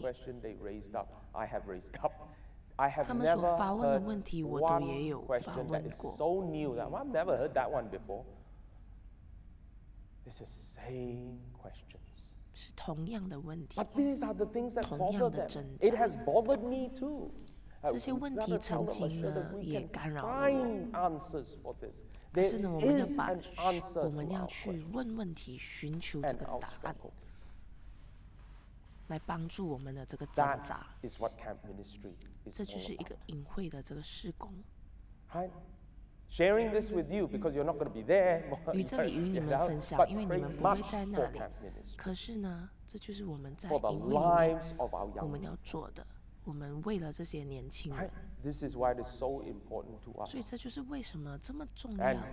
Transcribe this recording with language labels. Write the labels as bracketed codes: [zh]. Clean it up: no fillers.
[en] All the questions they raised up, I have raised up. I have never heard one question that is so new that I've never heard that one before. It's the same question. [zh] 是同样的问题。 [en] But these are the things that bother them. [zh] 同样的挣扎。 [en] It has bothered me too. [zh] 这些问题曾经呢也干扰了我。 [en] Find answers for this. There is an answer to our question. [zh] 可是呢，我们要去问问题，寻求这个答案，来帮助我们的这个挣扎。 [en] That is what camp ministry is all about. [zh] 这就是一个隐晦的这个事工。 [en] Right. Sharing this with you because you're not going to be there. [zh] 与这里与你们分享，因为你们不会在那里。可是呢，这就是我们在营会里面我们要做的。我们为了这些年轻人。 [en] This is why it is so important to us. [zh] 所以这就是为什么这么重要。